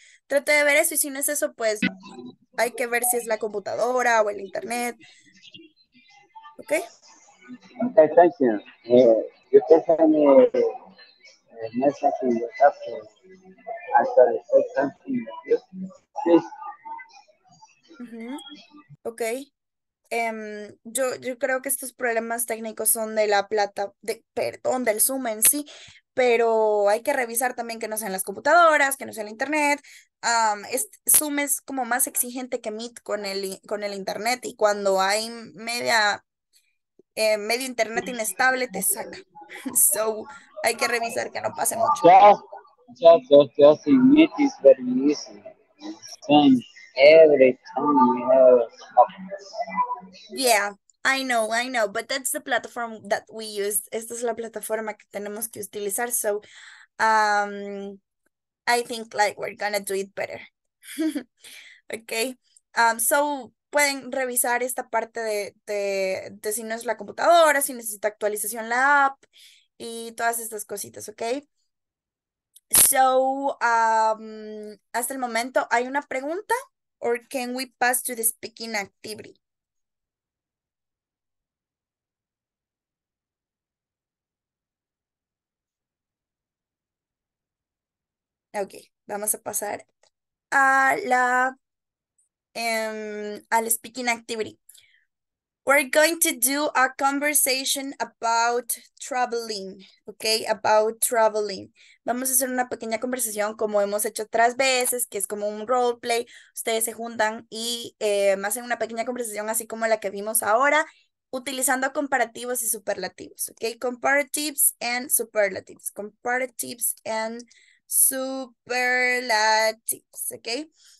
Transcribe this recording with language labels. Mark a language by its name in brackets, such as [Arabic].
[Spanish] Trate de ver eso, y si no es eso, pues hay que ver si es la computadora o el internet, ¿ok? [English] Okay, thank you. You can send me a message in WhatsApp after the second thing, please. Okay. [Spanish] Yo creo que estos problemas técnicos son de la plata, del Zoom en sí, pero hay que revisar también que no sean las computadoras, que no sea el internet. Zoom es como más exigente que Meet con el internet, y cuando hay medio internet inestable, te saca. So, hay que revisar que no pase mucho. [English] Just in Meet is very easy. every time we have a stop. Yeah, I know, but that's the platform that we use. [Spanish] Esta es la plataforma que tenemos que utilizar, [English] so I think like we're gonna do it better. [Spanish] Okay, so pueden revisar esta parte de si no es la computadora, si necesita actualización la app y todas estas cositas, okay? So, hasta el momento, ¿hay una pregunta? [English] Or can we pass to the speaking activity? [Spanish] Okay, vamos a pasar a la al speaking activity. [English] We're going to do a conversation about traveling, okay? About traveling. [Spanish] Vamos a hacer una pequeña conversación como hemos hecho otras veces, que es como un role play. Ustedes se juntan y hacen una pequeña conversación así como la que vimos ahora, utilizando comparativos y superlativos, okay? [English] Comparatives and superlatives. Comparatives and superlatives, okay?